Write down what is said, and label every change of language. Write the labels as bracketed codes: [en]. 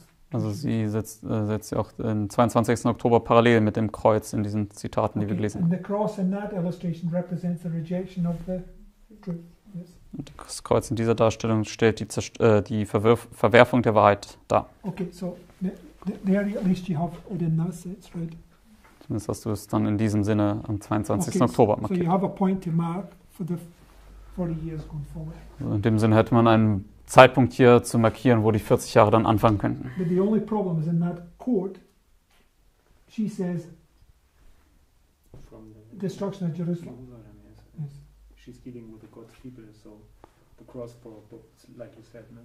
[de] Also sie setzt ja auch den 22. Oktober parallel mit dem Kreuz in diesen Zitaten, die wir gelesen haben. Das Kreuz in dieser Darstellung stellt die, die Verwerfung der Wahrheit dar. [en] Okay, so there at least you have it in that sense, right? [de] Zumindest hast du es dann in diesem Sinne am 22. Oktober markiert. [en] So you have a point to mark for the 40 years going forward. [de] Also in dem Sinne hätte man einen Zeitpunkt hier zu markieren, wo die 40 Jahre dann anfangen könnten. [en] But the only problem is in that court, she says, from the destruction of Jerusalem. She's dealing with the God's people, so the cross for books, like you said,